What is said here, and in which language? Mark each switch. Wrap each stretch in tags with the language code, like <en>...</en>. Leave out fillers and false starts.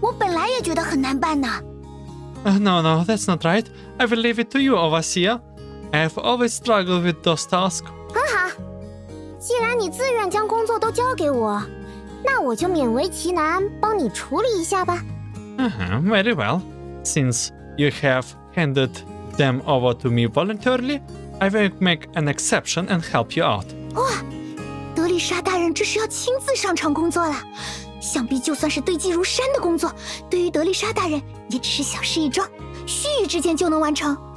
<zh>当然是由主教你来处置了,这些工作我本来也觉得很难办呢!</zh> <en>No, that's not right. I will leave it to you, overseer. I've always struggled with those tasks.</en> <zh>很好,既然你自愿将工作都交给我,那我就勉为其难帮你处理一下吧!</zh> <en>Very well. Since you have handed them over to me voluntarily, I will make an exception and help you out.</en> <zh>Oh, 德丽莎大人这是要亲自上场工作了。想必就算是堆积如山的工作,对于德丽莎大人也只是小事一桩,须臾之间就能完成。</zh>